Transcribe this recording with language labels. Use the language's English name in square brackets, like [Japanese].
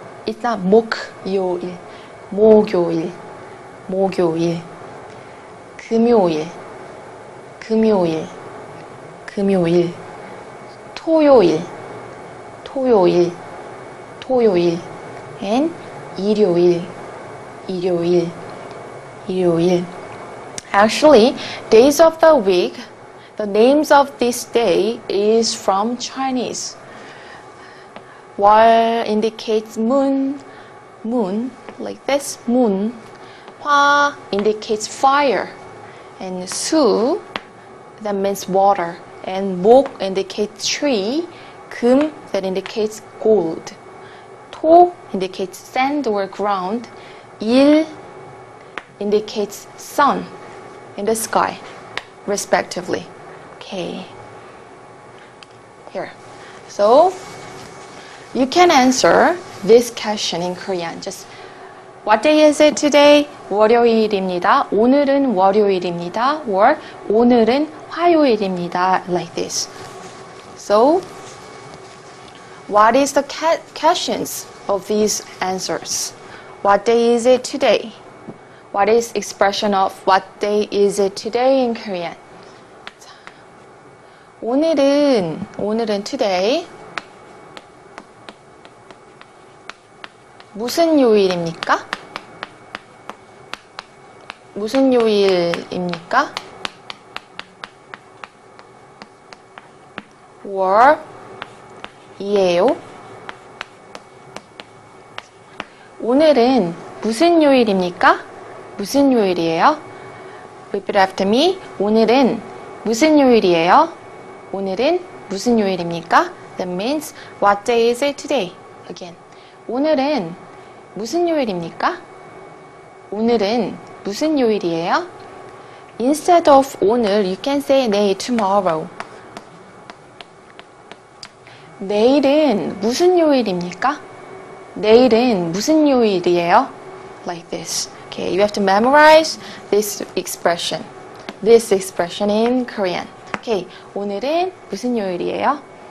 [English] It's not [Korean] 목요일, 목요일, 목요일, 금요일. 금요일, 금요일, 토요일, 토요일, 토요일, and 일요일, 일요일, 일요일. [English] Actually, days of the week, the names of this day is from Chinese. 월 indicates moon, moon, like this, moon. 화 indicates fire, and 수, that means water, and 목 indicates tree, 금 that indicates gold, 토 indicates sand or ground, 일 indicates sun in the sky, respectively. Okay, here. So you can answer this question in Korean. Just what day is it today? [Korean] 월요일입니다. 오늘은 월요일입니다. Or 오늘은 화요일입니다. [English] Like this. So, what is the questions of these answers? What day is it today? What is expression of what day is it today in Korean? [Korean] 오늘은 today. 무슨 요일입니까? 무슨 요일입니까? Or 이에요? 오늘은 무슨 요일입니까? 무슨 요일이에요? [English] Repeat after me. [Korean] 오늘은 무슨 요일이에요? 오늘은 무슨 요일입니까? [English] That means what day is it today? Again. [Korean] 오늘은 무슨 요일입니까? 오늘은 무슨 요일이에요? [English] Instead of 오늘, you can say 내일, tomorrow. [Korean] 내일은 무슨 요일입니까? 내일은 무슨 요일이에요? [English] Like this. Okay, you have to memorize this expression. This expression in Korean. Okay, [Korean] 오늘은 무슨 요일이에요?